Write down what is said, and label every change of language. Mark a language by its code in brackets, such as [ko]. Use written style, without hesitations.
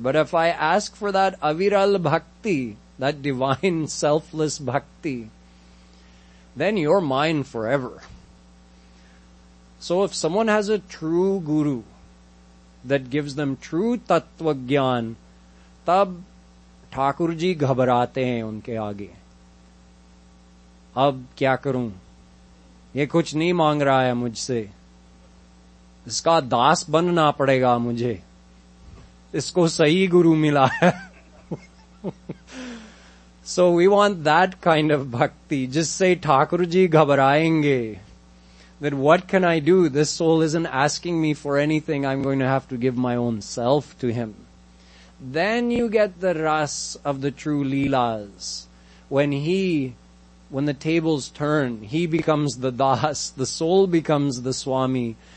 [en] But if I ask for that aviral bhakti, that divine selfless bhakti, then you're mine forever. So if someone has a true guru that gives them true [hi] तत्व ज्ञान, तब ठाकुर जी घबराते हैं उनके आगे. अब क्या करूं? ये कुछ नहीं मांग रहा है मुझसे. इसका दास बनना पड़ेगा मुझे. इसको सही गुरु मिला है. [en] So we want that kind of bhakti. Just say [hi] Thakur ji घबराएंगे. [en] Then what can I do? This soul isn't asking me for anything. I'm going to have to give my own self to him. Then you get the ras of the true leelas. When the tables turn, he becomes the das, the soul becomes the swami.